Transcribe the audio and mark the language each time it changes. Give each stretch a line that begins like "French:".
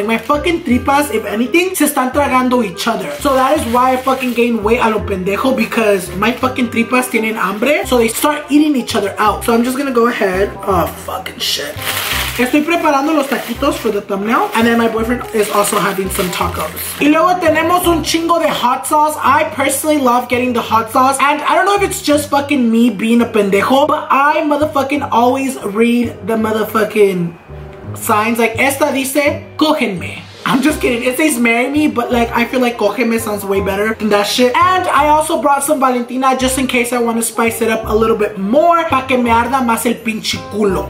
English: Like, my fucking tripas, if anything,
Spanish: se están tragando y
English: other. So that is why I fucking gain weight
Spanish: a lo pendejo,
English: because my fucking tripas
Spanish: tienen hambre,
English: so they start eating each other out. So I'm just gonna go ahead. Oh, fucking shit.
Spanish: Estoy preparando los taquitos
English: for the thumbnail, and then my boyfriend is also having some tacos.
Spanish: Y luego tenemos un chingo de hot sauce.
English: I personally love getting the hot sauce, and I don't know if it's just fucking me being a pendejo, but I motherfucking always read the motherfucking signs. Like,
Spanish: esta dice, cógenme.
English: I'm just kidding. It says marry me, but like, I feel like cógeme sounds way better than that shit. And I also brought some Valentina just in case I want to spice it up a little bit more.
Spanish: Pa que me arda más el pinche culo.